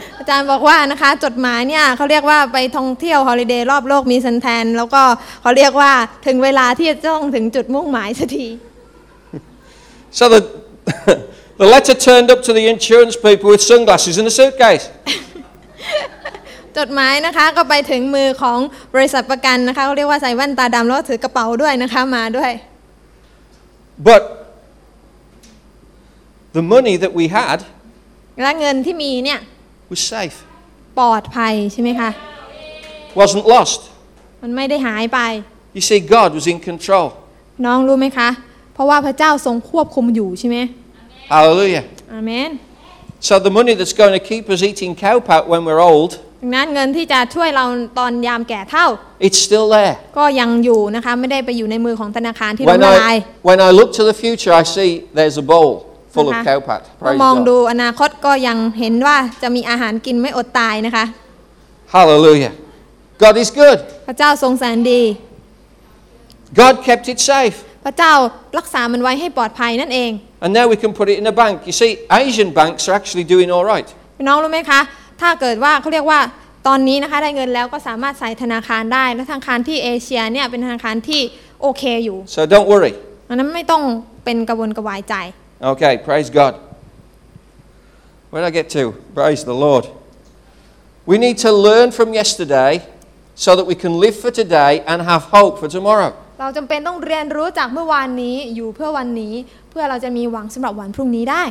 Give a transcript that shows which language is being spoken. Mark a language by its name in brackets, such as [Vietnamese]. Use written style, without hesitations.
[Thai] อาจารย์บอกว่านะคะจดหมายเนี่ยเขาเรียกว่าไปท่องเที่ยวฮอลิเดย์รอบโลกมีซันแทนแล้วก็เขาเรียกว่าถึงเวลาที่จะต้องถึงจุดมุ่งหมายสักที [English] So the letter turned up to the insurance people with sunglasses in a suitcase. [Thai] จดหมายนะคะก็ไปถึงมือของบริษัทประกันนะคะเขาเรียกว่าใส่แว่นตาดำแล้วถือกระเป๋าด้วยนะคะมาด้วย [English] ButThe money that we had, [Thai] และเงินที่มีเนี่ย [English] was safe, [Thai] ปลอดภัยใช่ไหมคะ [English] wasn't lost, [Thai] มันไม่ได้หายไป [English] you see God was in control, [Thai] น้องรู้ไหมคะเพราะว่าพระเจ้าทรงควบคุมอยู่ใช่ไหม [English] hallelujah, amen, so the money that's going to keep us eating cow pat when we're old, [Thai] นั้นเงินที่จะช่วยเราตอนยามแก่เฒ่า [English] it's still there, [Thai] ก็ยังอยู่นะคะไม่ได้ไปอยู่ในมือของธนาคารที่ล้มละลาย [English] when I look to the future I see there's a bowlFull of cow pat. [Thai] มองดูอนาคตก็ยังเห็นว่าจะมีอาหารกินไม่อดตายนะคะ [English] Hallelujah. God is good. [Thai] พระเจ้าทรงแสนดี [English] God kept it safe. [Thai] พระเจ้ารักษามันไว้ให้ปลอดภัยนั่นเอง [English] And now we can put it in a bank. You see, Asian banks are actually doing all right. [Thai] พี่น้องรู้ไหมคะถ้าเกิดว่าเขาเรียกว่าตอนนี้นะคะได้เงินแล้วก็สามารถใส่ธนาคารได้และธนาคารที่เอเชียเนี่ยเป็นธนาคารที่โอเคอยู่ [English] So don't worry. [Thai] อันนั้นไม่ต้องเป็นกังวลกระวายใจ [English] Okay, praise God. Where did I get to? Praise the Lord. We need to learn from yesterday so that we can live for today and have hope for tomorrow. [Thai] เราจําเป็นต้องเรียนรู้จากเมื่อวานนี้อยู่เพื่อวันนี้เพื่อเราจะมีหวังสําหรับวันพรุ่งนี้ได